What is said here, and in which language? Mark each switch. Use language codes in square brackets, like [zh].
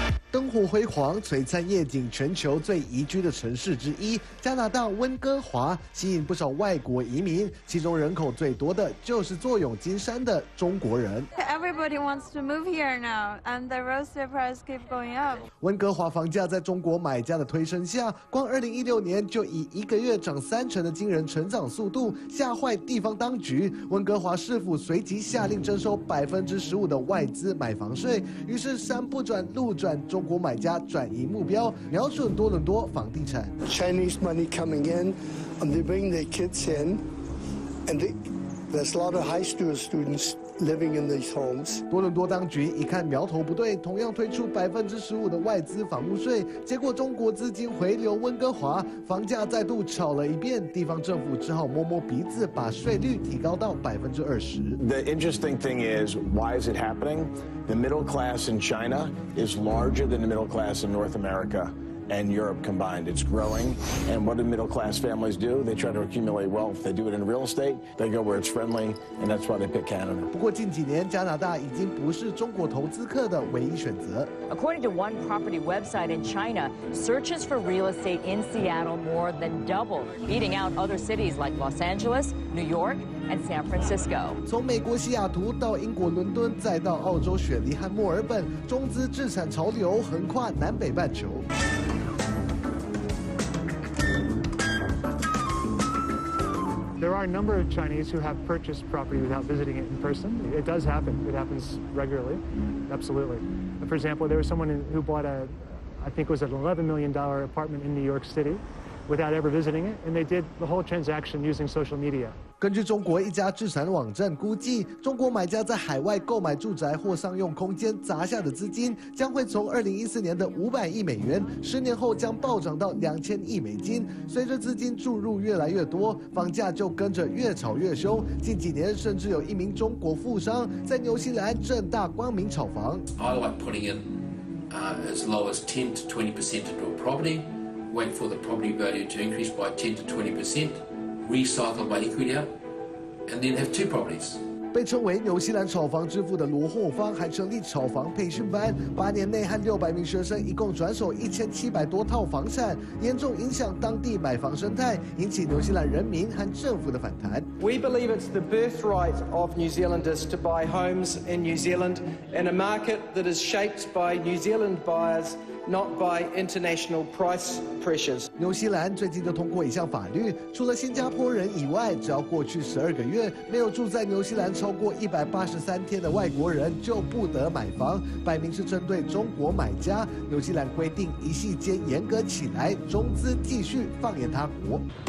[zh] 灯火辉煌，璀璨夜景，全球最宜居的城市之一加拿大温哥华吸引不少外国移民，其中人口最多的就是坐拥金山的中国人。 [en] Everybody wants to move here now and the real estate price keep going up。 [zh] 温哥华房价在中国买家的推升下，光2016年就以一个月涨3成的惊人成长速度吓坏地方当局。温哥华市府随即下令征收15%的外资买房税，于是山不转路转，中国买家转移目标，瞄准多伦多房地产。 [en] Chinese money coming in, and they bring their kids in, and there's a lot of high school students living in these homes. [zh] 多伦多当局一看苗头不对，同样推出15%的外资房屋税，结果中国资金回流温哥华，房价再度炒了一遍，地方政府只好摸摸鼻子，把税率提高到20%。 [en] The interesting thing is, why is it happening? The middle class in China is larger than the middle class in North America and Europe combined. It's growing. And what do middle class families do? They try to accumulate wealth. They do it in real estate. They go where it's friendly, and that's why they pick Canada. [zh] 不过近几年，加拿大已经不是中国投资客的唯一选择。 [en] According to one property website in China, searches for real estate in Seattle more than doubled, beating out other cities like Los Angeles, New York. And San Francisco. [zh] 从美国西雅图到英国伦敦，再到澳洲雪梨和墨尔本，中资资产潮流横跨南北半球。 [en] are a number of Chinese who have purchased property without visiting it in person. It does happen. It happens regularly. Absolutely. For example, there was someone who bought a, I think it was an $11 million apartment in New York City without ever visiting it, and they did the whole transaction using social media. [zh] 根据中国一家资产网站估计，中国买家在海外购买住宅或商用空间砸下的资金将会从2014年的500亿美元十年后将暴涨到2000亿美金。随着资金注入越来越多，房价就跟着越炒越凶。近几年甚至有一名中国富商在纽西兰正大光明炒房。 [en] I like putting in as low as 10-20% into a property, wait for the property value to increase by 10-20%. Recycled by equity, and then have two properties. [zh] 被称为纽西兰炒房之父的罗霍芳还成立炒房培训班，八年内和600名学生一共转手1700多套房产，严重影响当地买房生态，引起纽西兰人民和政府的反弹。 [en] We believe it's the birthright of New Zealanders to buy homes in New Zealand in a market that is shaped by New Zealand buyers, not by international price pressures. [zh] 纽西兰最近就通过一项法律，除了新加坡人以外，只要过去12个月没有住在纽西兰。超过183天的外国人就不得买房，摆明是针对中国买家。纽西兰规定一夕间严格起来，中资继续放眼他国。